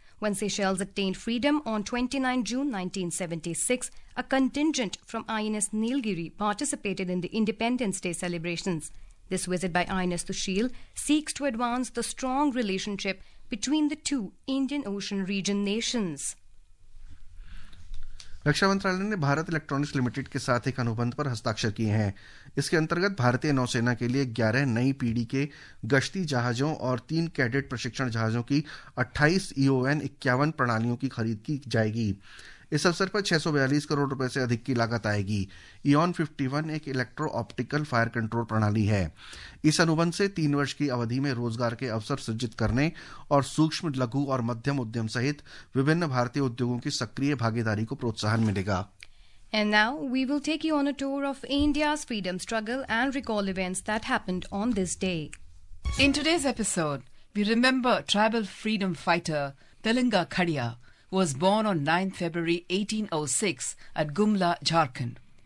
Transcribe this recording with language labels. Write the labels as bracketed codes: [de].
[en] When Seychelles attained freedom on 29 June 1976, a contingent from INS Nilgiri participated in the Independence Day celebrations. This visit by INS Sushil seeks to advance the strong relationship between the two Indian Ocean region nations. [hi] रक्षा मंत्रालय ने Bharat electronics limited के साथ एक अनुबंध पर हस्ताक्षर किए हैं। इसके अंतर्गत भारतीय नौसेना के लिए 11 नई पीढ़ी के गश्ती जहाजों और 3 कैडेट प्रशिक्षण जहाजों की 28 EON 51 प्रणालियों की खरीद की जाएगी। इस अवसर पर 642 करोड़ रुपए से अधिक की लागत आएगी। ईओन 51 एक इलेक्ट्रो ऑप्टिकल फायर कंट्रोल प्रणाली है। इस अनुबंध से 3 वर्ष की अवधि में रोजगार के अवसर सृजित करने और सूक्ष्म लघु और मध्यम उद्यम सहित विभिन्न भारतीय उद्योगों की सक्रिय भागीदारी को प्रोत्साहन मिलेगा। [en] And now we will take you on a tour of India's freedom struggle and recall events that happened on this day. In today's episode, we remember tribal freedom fighter Telanga Khadia, who was born on 9 February 1806 at Gumla, Jharkhand.